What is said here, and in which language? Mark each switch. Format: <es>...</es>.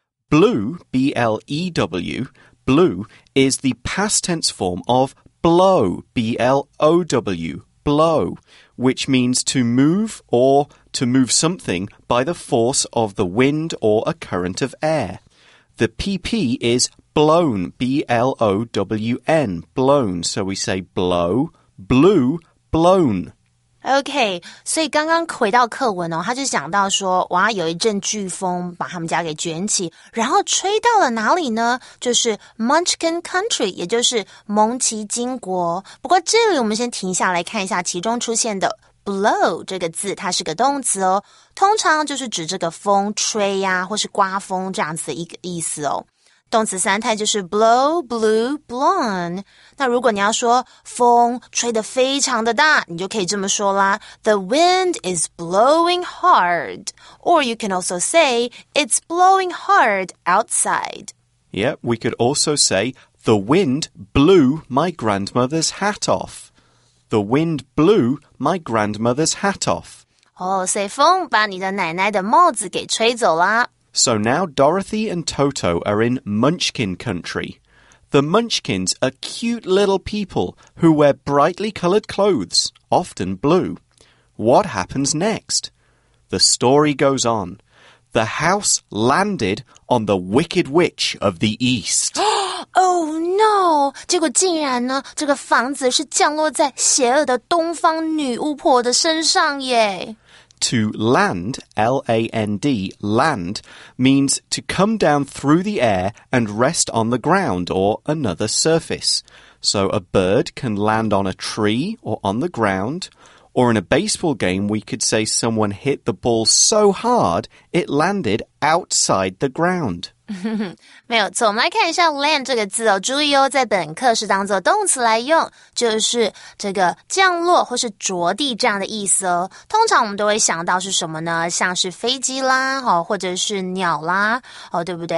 <en>Blue, B-L-E-W, blue is the past tense form of blow, B-L-O-W, blow, which means to move or to move something by the force of the wind or a current of air. The PP is blown, B-L-O-W-N, blown. So we say blow, blue, blown.</en> <zh>OK, 所以刚刚回到课文哦，他就讲到说，哇，有一阵飓风把他们家给卷起，然后吹到了哪里呢？就是 Munchkin Country, 也就是蒙奇金国。不过这里我们先停下来看一下其中出现的 blow 这个字，它是个动词哦，通常就是指这个风吹呀，或是刮风这样子的一个意思哦。动词三态就是 blow, blew, blown。那如果你要说风吹得非常的大，你就可以这么说啦，</zh> <en>The wind is blowing hard. Or you can also say, it's blowing hard outside. Yeah, we could also say, the wind blew my grandmother's hat off. The wind blew my grandmother's hat off.</en> <zh>哦，所以风把你的奶奶的帽子给吹走啦。</zh> <en>So now Dorothy and Toto are in Munchkin Country. The Munchkins are cute little people who wear brightly coloured clothes, often blue. What happens next? The story goes on. The house landed on the Wicked Witch of the East. Oh no!</en> <zh>结果竟然呢，这个房子是降落在邪恶的东方女巫婆的身上耶。</zh> <en>To land, L-A-N-D, land, means to come down through the air and rest on the ground or another surface. So a bird can land on a tree or on the ground. Or in a baseball game, we could say someone hit the ball so hard it landed outside the ground.</en> <zh>没有错，我们来看一下 land 这个字哦，注意哦，在本课是当作动词来用，就是这个降落或是着地这样的意思哦。通常我们都会想到是什么呢？像是飞机啦，哦，或者是鸟啦，哦，对不对？</zh>